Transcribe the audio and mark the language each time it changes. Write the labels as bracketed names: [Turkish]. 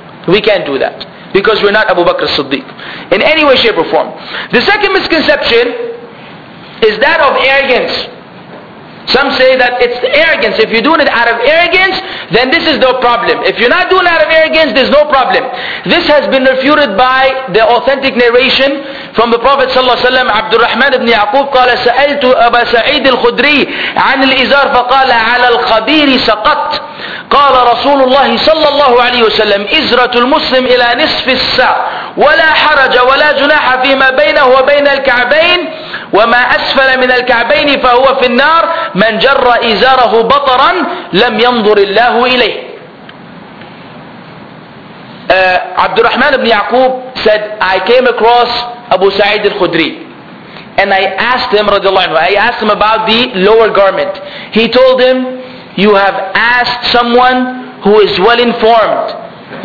[English] We can't do that, because we're not Abu Bakr as-Siddiq, in any way, shape or form. The second misconception is that of arrogance. Some say that it's arrogance. If you're doing it out of arrogance, then this is no problem. If you're not doing it out of arrogance, there's no problem. This has been refuted by the authentic narration from the Prophet ﷺ, Abdul Rahman ibn Yaqub, [Arabic] قَالَ سَأَلْتُ أَبَا سَعِيدِ الْخُدْرِي عَنِ الْإِزَارِ فَقَالَ عَلَى الْخَدِيرِ سَقَطْ قَالَ رَسُولُ اللَّهِ صَلَّى اللَّهُ عَلَيْهُ وَسَلَّمْ إِزْرَةُ الْمُسْلِمِ إِلَى نِصْفِ السَّاعِ وَلَا حَرَجَ وَلَا جُنَاحَ فِي مَا بَيْنَهُ وَبَيْنَ الْكَعْبَيْنِ وما أسفل من الكعبين فهو في النار من جر إزاره بطرا لم ينظر الله إليه. [English] عبد الرحمن بن يعقوب said, I came across Abu Sa'id al-Khudri and I asked him رضي الله عنه, I asked him about the lower garment. He told him, You have asked someone who is well informed.